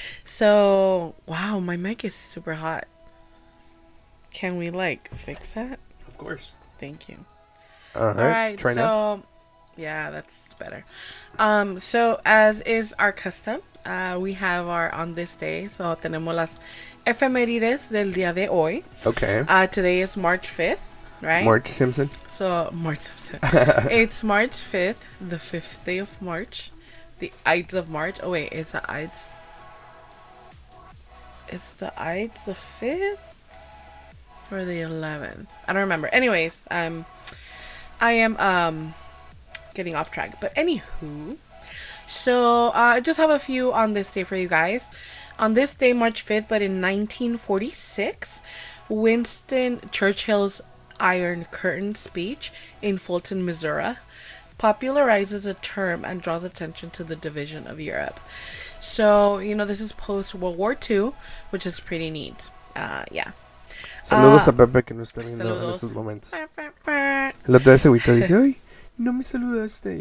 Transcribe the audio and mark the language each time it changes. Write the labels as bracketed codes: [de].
[en] So, wow, my mic is super hot. Can we, fix that? Of course. Thank you. Uh-huh. All right. Try now. Yeah, that's better. So, as is our custom, we have our on this day. [es] So, tenemos las efemérides del día de hoy. [en] Okay. Today is March 5th, right? March Simpson. So, March Simpson. It's March 5th, the 5th day of March. The Ides of March. Oh, wait. Is the Ides the 5th? Or the 11th? I don't remember. Anyways, I am getting off track. But anywho. So, I just have a few on this day for you guys. On this day, March 5th, but in 1946, Winston Churchill's Iron Curtain speech in Fulton, Missouri, popularizes a term and draws attention to the division of Europe. So, you know, this is post-World War II, which is pretty neat. Yeah. [es] Saludos a Pepe que no está viendo en estos momentos. El otro día se agüita dice, ay, no me saludaste.